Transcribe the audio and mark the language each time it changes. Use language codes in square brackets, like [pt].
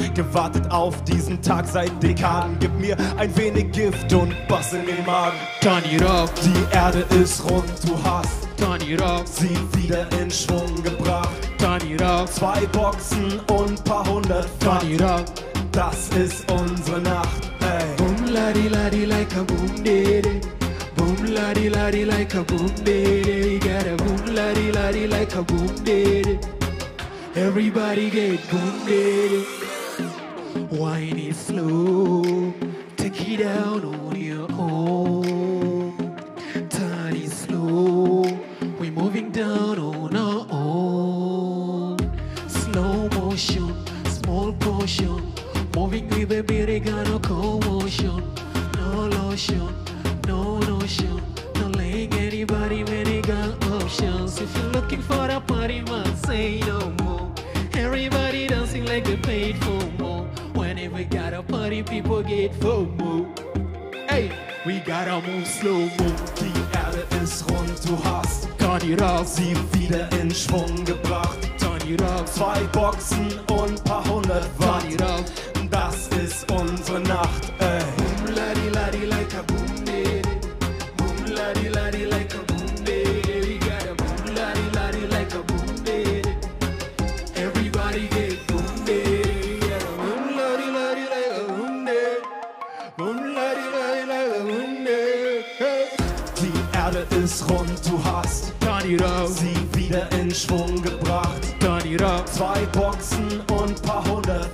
[de] Gewartet auf diesen Tag seit Dekaden. Gib mir ein wenig Gift und Bass in den Magen. [en] Turn it up. [de] Die Erde ist rund, du hast [en] Turn it up. [de] Sie wieder in Schwung gebracht. [en] Turn it up. [de] Zwei Boxen und paar hundert Watt. [en] Turn it up. [de] Das ist unsere Nacht. [en] Ladi ladi like a boom dee boom ladi ladi like a boom dee get a boom ladi ladi like a boom dee everybody get boom dee wine is slow take it down on your own turn it slow we're moving down on our own slow motion small portion moving with a bit of gun or commotion. No lotion, no notion. Don't let anybody when they got options. If you're looking for a party, man, say no more. Everybody dancing like they paid for more. Whenever we got a party, people get FOMO. Hey, we gotta move slow, move. [de] Die Erde ist rund, du hast [en] Turn it up. [de] Sie wieder in Schwung gebracht. [en] Turn it up. [de] Zwei Boxen und paar hundert Watt. [en] Turn it up. [de] Das ist unsere Nacht, ey. [en] Boom, ladi, ladi, like a boom, baby. Boom, ladi, ladi, like a boom, baby. We got a boom, ladi, ladi, like a boom, baby. Everybody get boom, baby. We got a boom, ladi, ladi, like a boom, baby. Boom, ladi, ladi, like a boom, baby. [de] Die Erde ist rund, du hast [en] Turn it up. [de] Sie wieder in Schwung gebracht. [en] Turn it up. [de] Zwei Boxen und paar hundert